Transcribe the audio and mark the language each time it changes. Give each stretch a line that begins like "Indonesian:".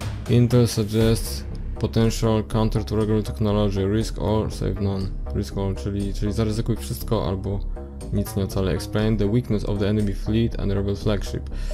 English: Intel suggests potential counter to regular technology. Risk all, save none. Risk all,
Polish: czyli zaryzykuj wszystko albo nic nie ocalę.
English: Explain the weakness of the enemy fleet and rebel flagship.